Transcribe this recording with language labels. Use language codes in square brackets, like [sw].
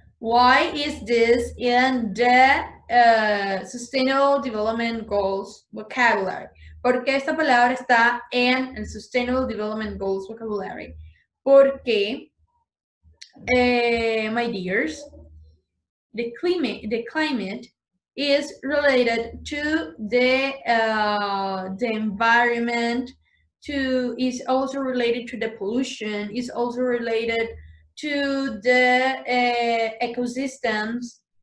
[en] Why is this in the Sustainable Development Goals vocabulary? [es] ¿Por qué esta palabra está en el Sustainable Development Goals vocabulary? [en] Porque, my dears, the climate is related to the environment, to is also related to the pollution, is also related to the ecosystems.